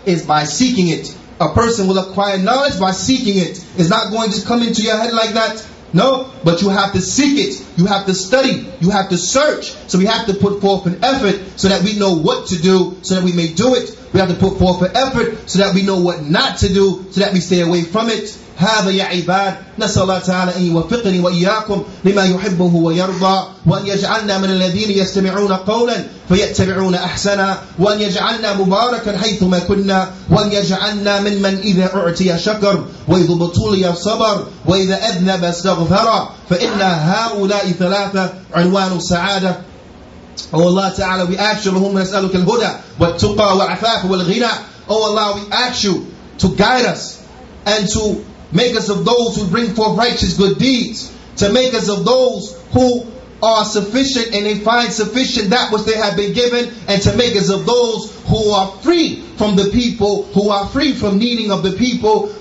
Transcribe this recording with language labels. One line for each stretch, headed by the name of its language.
English: Is by seeking it. A person will acquire knowledge by seeking it. It's not going to come into your head like that. No, but you have to seek it. You have to study. You have to search. So we have to put forth an effort so that we know what to do, so that we may do it. We have to put forth an effort so that we know what not to do, so that we stay away from it.
Arabic: هذا يا عباد نسأل الله تعالى أن يوفقني وإياكم لما يحبه ويرضى وأن يجعلنا من الذين يستمعون قولا فيتبعون أحسنا وأن يجعلنا مباركا حيثما كنا وأن يجعلنا ممن إذا أعطي شكر وإذا ابتلي صبر وإذا أذنب استغفر فإن هؤلاء ثلاثة عنوان سعادة.
English: Oh Allah Ta'ala, we ask you,
Arabic: اللهم نسألك الهدى والتقى والعفاف والغنى.
English: Oh Allah, we ask you to guide us and to make us of those who bring forth righteous good deeds, to make us of those who are sufficient and they find sufficient that which they have been given, and to make us of those who are free from the people, who are free from needing of the people.